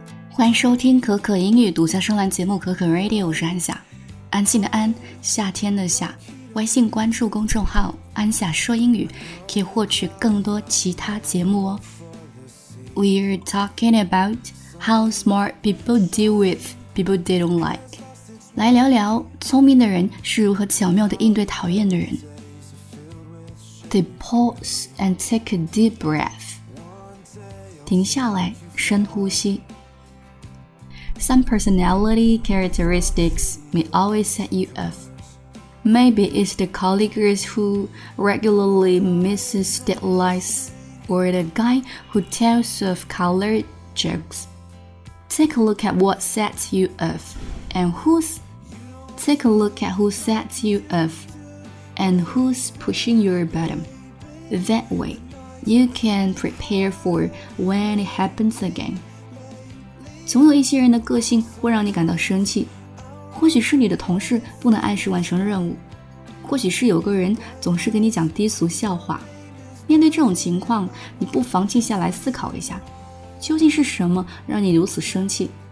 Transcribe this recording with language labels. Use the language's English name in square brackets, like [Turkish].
[Chinese] 欢迎收听可可英语独家声浪节目可可 Radio， 我是安夏，安静的安，夏天的夏。微信关注公众号安夏说英语，可以获取更多其他节目哦。 [English] We're talking about how smart people deal with people they don't like. [Chinese] 来聊聊聪明的人是如何巧妙地应对讨厌的人。 [English] They pause and take a deep breath. [Chinese] 停下来，深呼吸。 [English] Some personality characteristics may always set you off. Maybe it's the colleagues who regularly misses deadlines. Or the guy who tells of colored jokes. Take a look at what sets you off and who's. Take a look at who sets you off and who's pushing your button. That way, you can prepare for when it happens again. [Chinese] 总有一些人的个性会让你感到生气，或许是你的同事不能按时完成任务，或许是有个人总是给你讲低俗笑话。面对这种情况，你不妨静下来思考一下，究竟是什么让你如此生气？